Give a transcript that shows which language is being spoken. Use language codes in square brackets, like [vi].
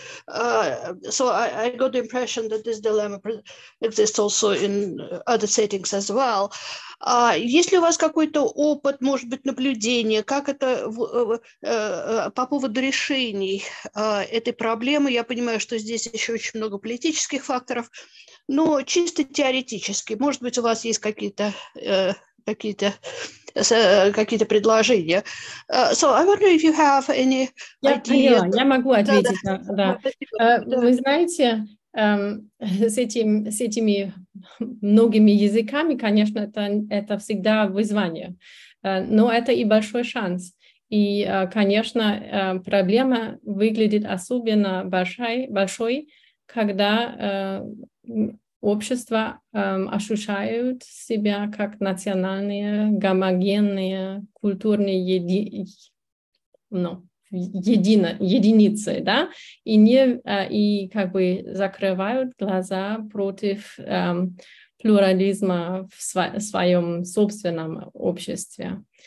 [en] So I got the impression that this dilemma exists also in other settings as well. [ru] Есть ли у вас какой-то опыт, может быть, наблюдение, как это по поводу решений этой проблемы? Я понимаю, что здесь еще очень много политических факторов, но чисто теоретически, может быть, у вас есть какие-то предложения. [en] So I wonder if you have any idea. [ru] Я могу ответить. Да. Вы знаете, с этими многими языками, конечно, это всегда вызвание, но это и большой шанс. И, конечно, проблема выглядит особенно большой, когда общество ощущают себя как национальные, гомогенные, культурные единицы, да, и как бы закрывают глаза против плюрализма в своем собственном обществе.